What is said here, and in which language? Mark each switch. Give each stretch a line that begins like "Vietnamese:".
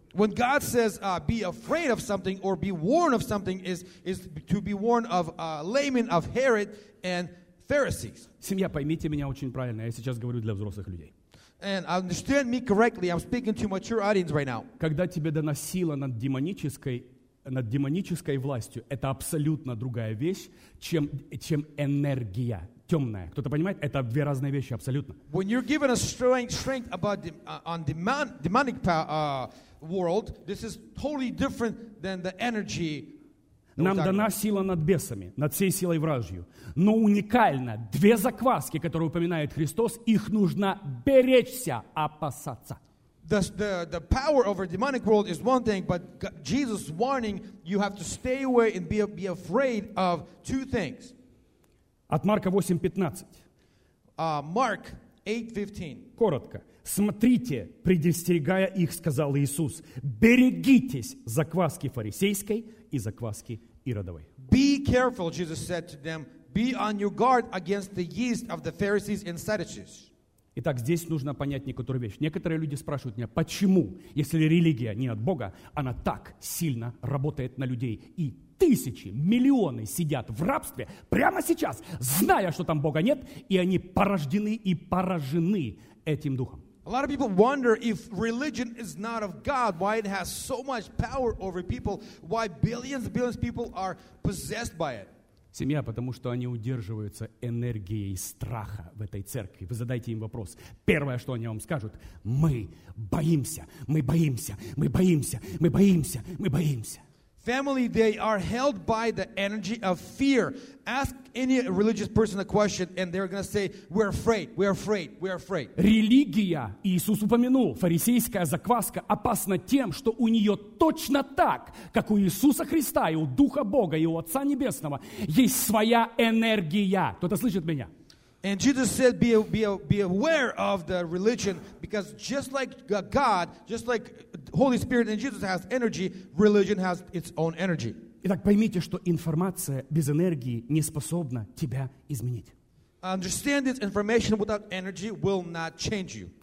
English: When God says be afraid of something or be warned of something is to be warned of laymen of Herod and Pharisees.
Russian: Семья, поймите меня очень правильно. Я сейчас говорю для взрослых людей.
English: And understand me correctly. I'm speaking to mature audience right now.
Russian: Когда тебе дана сила над демонической властью, это абсолютно другая вещь, чем энергия. Темная. Кто-то понимает? Это две разные вещи абсолютно.
English: When you're given a strength about demonic world, this is totally different than the energy.
Russian: Нам дана сила над бесами, над всей силой вражью. Но уникально, две закваски, которые упоминает Христос, их нужно беречься, опасаться.
English: The power over demonic world is one thing, but Jesus warning, you have to stay away and be afraid of two things.
Russian: От Марка 8:15.
English: Mark 8:15.
Russian: Коротко. Смотрите, предостерегая их, сказал Иисус: берегитесь закваски фарисейской и закваски Иродовой.
English: Be careful, Jesus said to them, be on your guard against the yeast of the Pharisees and Sadducees.
Russian: Итак, здесь нужно понять некоторую вещь. Некоторые люди спрашивают меня, почему, если религия не от Бога, она так сильно работает на людей, и тысячи, миллионы сидят в рабстве прямо сейчас, зная, что там Бога нет, и они порождены и поражены этим духом.
English: A lot of people wonder if religion is not of God, why it has so much power over people, why billions and billions of people are possessed by it.
Russian: Семья, потому что они удерживаются энергией страха в этой церкви. Вы задайте им вопрос. Первое, что они вам скажут, мы боимся, мы боимся, мы боимся, мы боимся, мы боимся.
English: Family, they are held by the energy of fear. Ask any religious person a question and they're going to say, we're afraid, we're afraid, we're afraid.
Russian: Религия, Иисус упомянул, фарисейская закваска опасна тем, что у нее точно так, как у Иисуса Христа и у Духа Бога и у Отца Небесного, есть своя энергия. Кто-то слышит меня?
English: And Jesus said, be aware of the religion, because just like God, just like Holy Spirit and Jesus has energy, religion has its own energy.
Russian: Итак, поймите, что информация без энергии не способна тебя изменить.
English: Understand this, information without energy will not change you.